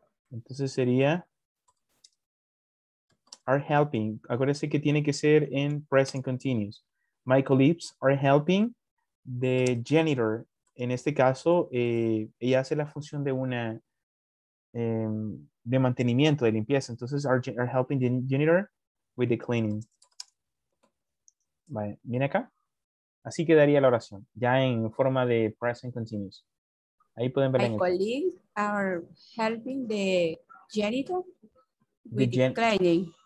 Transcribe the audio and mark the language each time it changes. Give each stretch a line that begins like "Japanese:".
Spanish: Entonces sería
English: are helping.
Spanish: Acuérdense que tiene que ser en present continuous.
English: My colleagues are helping the janitor.
Spanish: En este caso, ella hace la función de una de mantenimiento, de limpieza.
English: Entonces, are helping the janitor with the cleaning.
Spanish: Vale, miren acá. Así quedaría la oración, ya en forma de present continuous. Ahí pueden ver.
English: My colleagues are helping the janitor with the cleaning.